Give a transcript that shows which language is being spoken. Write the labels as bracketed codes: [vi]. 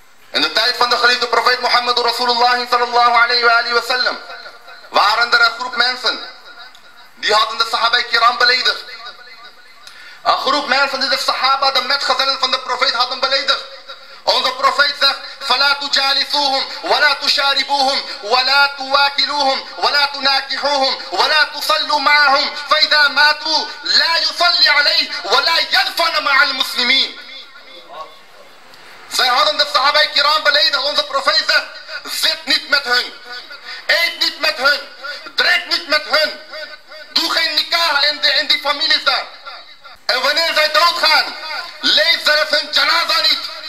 [nl] In de tijd van de geliefde profeet Muhammad Rasulullah [ar] sallallahu alayhi wa sallam [nl] waren er een groep mensen die hadden de sahaba kiram beledigd. Een groep mensen die de sahaba, de metgezellen van de profeet, hadden beledigd. Onze profeet zegt, [ar] فَلَا تُجَالِسُوهُمْ وَلَا تُشَارِبُوهُمْ وَلَا تُوَاكِلُوهُمْ وَلَا تُنَاكِحُوهُمْ وَلَا تُصَلُّ مَعَهُمْ فَإِذَا مَاتُوا لَا يُصَلِّ عَلَيْهِ وَلَا يَدْفَنَ مَعَ الْمُسْلِمِينَ. [nl] Zij hadden de sahaba kiram beledigd. Onze profeet zegt, zit niet met hun. Eet niet met hun. Drink niet met hun. Doe geen nikah in die families daar. En wanneer zij doodgaan, leeft zelfs hun janaza niet.